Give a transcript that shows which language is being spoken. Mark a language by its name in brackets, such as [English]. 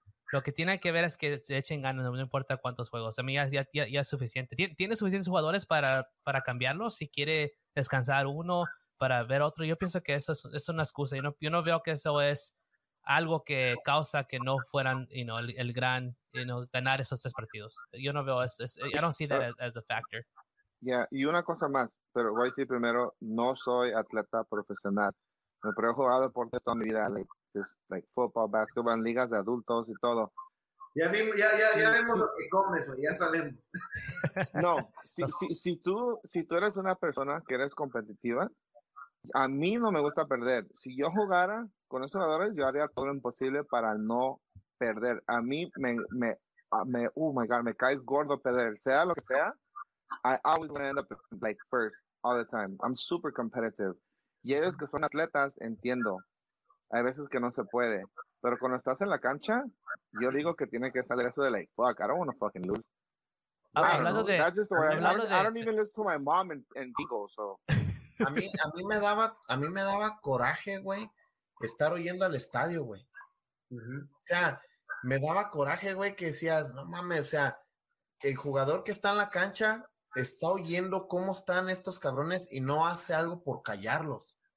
[Spanish] Lo que tiene que ver es que se echen ganas, no importa cuántos juegos. A mí ya es suficiente. ¿Tiene suficientes jugadores para cambiarlo? Si quiere descansar uno para ver otro, yo pienso que eso es una excusa. Yo no veo que eso es algo que causa que no fueran, el gran, ganar esos 3 partidos. Yo no veo eso. [English] I don't see that as a factor. [Spanish] Yeah, y una cosa más, pero voy a decir primero, no soy atleta profesional. Pero he jugado deporte toda mi vida, like football, basketball, ligas de adultos y todo. Ya vemos lo que comes, güey, ya sabemos. No, si tú eres una persona que eres competitiva, a mí no me gusta perder. Si yo jugara con esos jugadores, yo haría todo lo imposible para no perder. A mí me cae gordo perder, sea lo que sea. [English] I always want to end up like first all the time. I'm super competitive. [Spanish] Y ellos que son atletas, entiendo. Hay veces que no se puede. Pero cuando estás en la cancha, yo digo que tiene que salir eso de [English] like, fuck, I don't want to fucking lose. I don't even lose to my mom and Eagle, so. [Spanish] A mí me daba coraje, güey, estar oyendo al estadio, güey. Uh-huh. O sea, me daba coraje, güey, que decías, no mames, o sea, el jugador que está en la cancha está oyendo cómo están estos cabrones y no hace algo por callarlos.